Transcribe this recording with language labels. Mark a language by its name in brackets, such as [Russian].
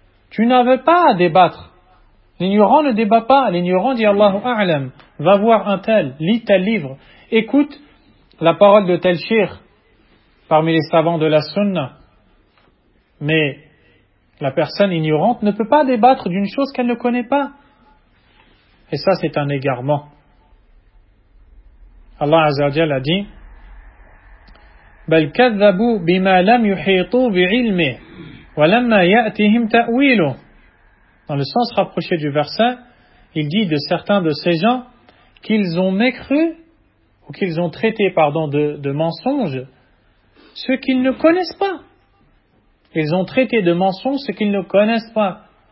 [French] Tu n'avais pas à débattre. L'ignorant ne débat pas, l'ignorant dit Allahu A'lam, va voir un tel, lis tel livre, écoute la parole de tel shir parmi les savants de la sunna. Mais la personne ignorante ne peut pas débattre d'une chose qu'elle ne connaît pas. Et ça c'est un égarement. [Arabic] Allah Azza wa Jal [French] a dit [Arabic] بَلْ كَذَّبُوا بِمَا لَمْ يُحِيطُوا بِعِلْمِهِ وَلَمَّا يَأْتِهِمْ تَأْوِيلُهُ. [French] Dans le sens rapproché du verset, il dit de certains de ces gens qu'ils ont mécru ou qu'ils ont traité, pardon, de mensonge ce qu'ils ne connaissent pas. Ils ont traité de mensonge ce qu'ils ne connaissent pas.